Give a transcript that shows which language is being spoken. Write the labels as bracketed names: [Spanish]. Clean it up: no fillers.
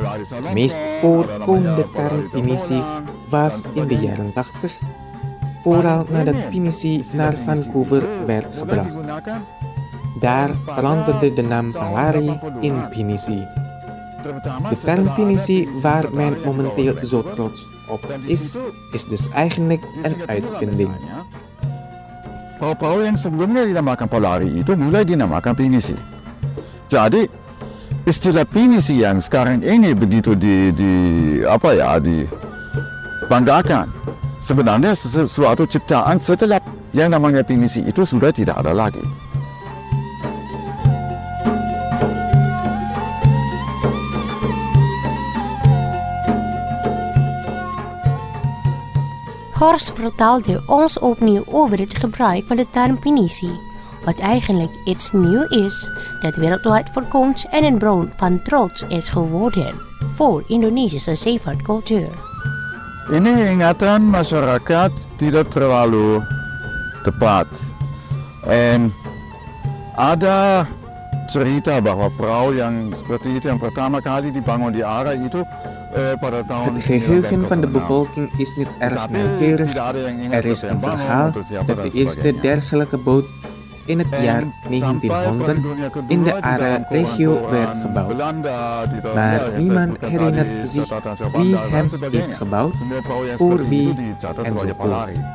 [Dutch] De meest voorkomende term Pinisi was in de jaren 80, vooral nadat Pinisi naar Vancouver werd gebracht. Daar veranderde de naam Palari in Pinisi. De term Pinisi waar men momenteel zo trots op is, is dus eigenlijk een uitvinding. [Indonesian] Yang sebelumnya dinamakan Palari itu mulai dinamakan Pinisi. Jadi istilah Pinisi yang sekarang ini begitu dibanggakan sebenarnya sesuatu ciptaan setelah yang namanya Pinisi itu sudah tidak ada lagi. [Dutch] Horst vertelde ons opnieuw over het gebruik van de term Pinisi, wat eigenlijk iets nieuws is dat wereldwijd voorkomt en een bron van trots is geworden voor Indonesische zeevaartcultuur. [Indonesian] Ini ingatan masyarakat tidak terlalu tepat. En ada cerita bahwa perahu yang seperti itu yang pertama kali dibangun di Ara itu. [Dutch] Het geheugen van de bevolking is niet erg nauwkeurig. Er is een verhaal dat de eerste dergelijke boot in het jaar 1900 in de Ara-regio werd gebouwd. Maar niemand herinnert zich wie hem heeft gebouwd, voor wie enzovoort.